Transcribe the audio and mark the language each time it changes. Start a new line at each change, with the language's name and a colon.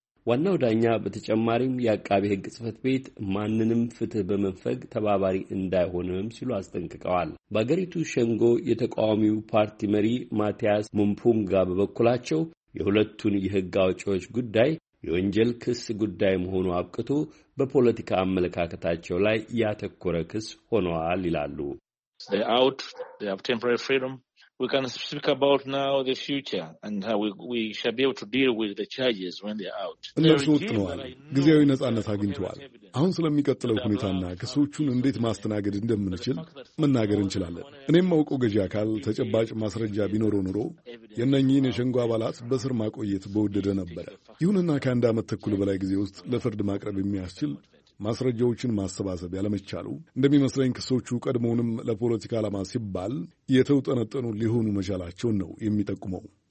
Amharic: ዋናው ዳኛ በተጨማሪም የአቃቤ ህግ ጽፈት ቤት ማንንም ፍትህ በመንፈግ ተባባሪ እንዳይሆንም ሲሉ አስጠንቅቀዋል። በአገሪቱ ሸንጎ የተቃዋሚው ፓርቲ መሪ ማቲያስ ሙምፑንጋ በበኩላቸው የሁለቱን የህግ አውጪዎች ጉዳይ የወንጀል ክስ ጉዳይ መሆኑ አብቅቶ በፖለቲካ አመለካከታቸው ላይ ያተኮረ ክስ ሆነዋል ይላሉ።
English: They are out. They have temporary freedom. we can speak about now the future and how we shall be able to deal with the charges when they are out.
Amharic: እነሱ ወጥተዋል። ግዚያዊ ነጻነት አግኝቷል። አሁን ስለሚከተለው ሁኔታና ከሰዎቹን እንዴት ማስተናገድ እንደምንችል መናገር እንችላለን። እኔም ማውቀው ገጃ ካል ተጨባጭ ማስረጃ ቢኖር ኖሮ የነኚህ የሸንጓ አባላት በስር ማቆየት በወደደ ነበር። ይሁንና ካንዳ አመተኩል በላይ ጊዜ ውስጥ ለፍርድ ማቅረብ የሚያስችል ማስረጃዎችን ማሰባሰብ ያለመቻሉ እንደሚመስለኝ ከሰዎቹ ቀድሞውንም ለፖለቲካ ዓላማ ሲባል የተውጠነጠኑ ሊሆኑ መቻላቸው ነው የሚጠቁመው።